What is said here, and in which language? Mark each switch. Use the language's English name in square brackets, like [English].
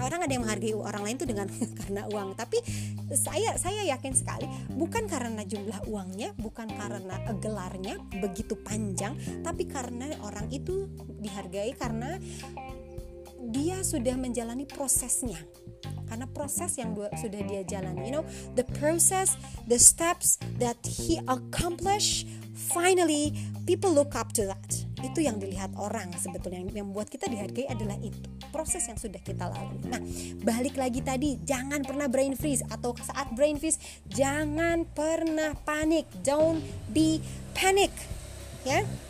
[Indonesian] Orang ada yang menghargai orang lain tuh dengan karena uang. Tapi saya yakin sekali bukan karena jumlah uangnya, bukan karena gelarnya begitu panjang, tapi karena orang itu dihargai karena dia sudah menjalani prosesnya. Karena proses yang sudah dia jalani, [English] you know, the process, the steps that he accomplished, finally people look up to that. [Indonesian] Itu yang dilihat orang sebetulnya, yang membuat kita dihargai adalah itu, proses yang sudah kita lalui. Nah, balik lagi tadi, jangan pernah brain freeze, atau saat brain freeze jangan pernah panik. [English] Don't be panic ya.